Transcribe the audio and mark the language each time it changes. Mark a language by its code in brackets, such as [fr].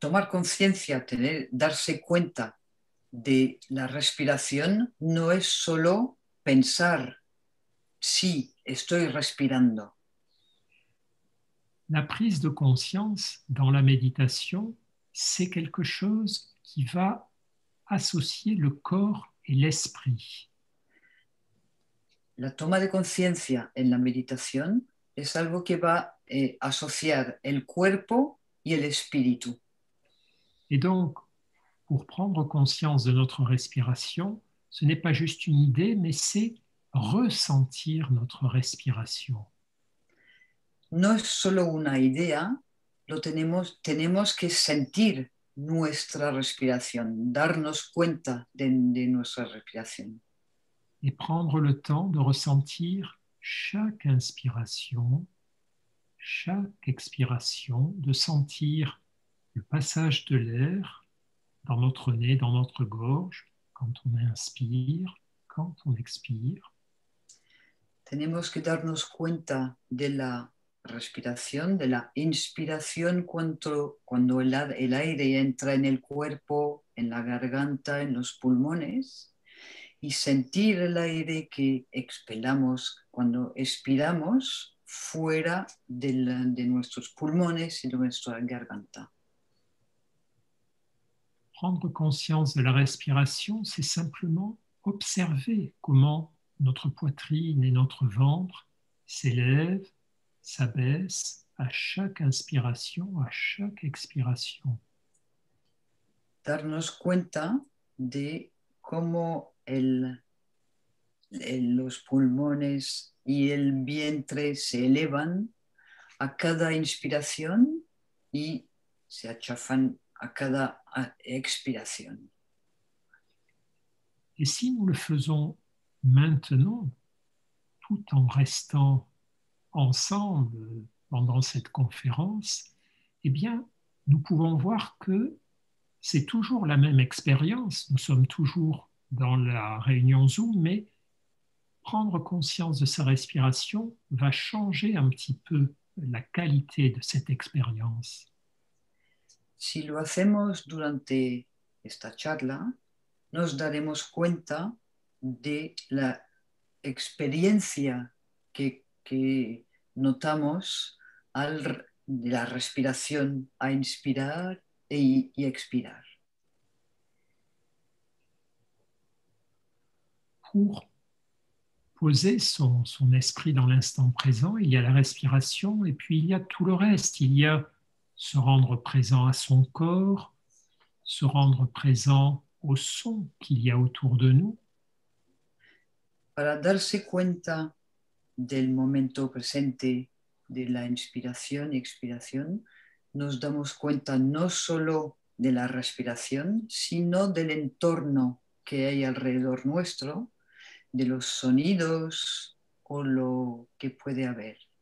[es] Tomar conciencia, darse cuenta de la respiración, no es solo pensar. Sí, Estoy respirando. [fr] La prise de conscience dans la méditation, c'est quelque chose qui va associer le corps et l'esprit. [es] La toma de conciencia en la meditación es algo que va asociar el cuerpo y el espíritu. [fr] Et donc, pour prendre conscience de notre respiration, ce n'est pas juste une idée, mais c'est ressentir notre respiration. [es] No es solo una idea, lo tenemos que sentir nuestra respiración, darnos cuenta de nuestra respiración. [fr] Et prendre le temps de ressentir chaque inspiration, chaque expiration, de sentir le passage de l'air dans notre nez, dans notre gorge, quand on inspire, quand on expire. [es] Tenemos que darnos cuenta de la respiración, de la inspiración cuando el aire entra en el cuerpo, en la garganta, en los pulmones, y sentir el aire que expelamos cuando expiramos fuera de nuestros pulmones y de nuestra garganta. [fr] Prendre conscience de la respiration, c'est simplement observer comment notre poitrine et notre ventre s'élèvent, s'abaissent à chaque inspiration, à chaque expiration. [es] Darnos cuenta de cómo los pulmones y el vientre se elevan a cada inspiración y se achafan a cada expiración. [fr] Y si nous le faisons maintenant, tout en restant ensemble pendant cette conférence, eh bien, nous pouvons voir que c'est toujours la même expérience. Nous sommes toujours dans la réunion Zoom, mais prendre conscience de sa respiration va changer un petit peu la qualité de cette expérience. [es] Si lo hacemos durante esta charla, nos daremos cuenta de la experiencia que notamos de la respiración a inspirar y expirar. [fr] Pour poser son esprit dans l'instant présent, il y a la respiration et puis il y a tout le reste. Il y a se rendre présent à son corps, se rendre présent au son qu'il y a autour de nous. [es] Para darse cuenta del momento presente de la inspiración y expiración, nos damos cuenta no solo de la respiración, sino del entorno que hay alrededor nuestro, de los sonidos o lo que puede haber.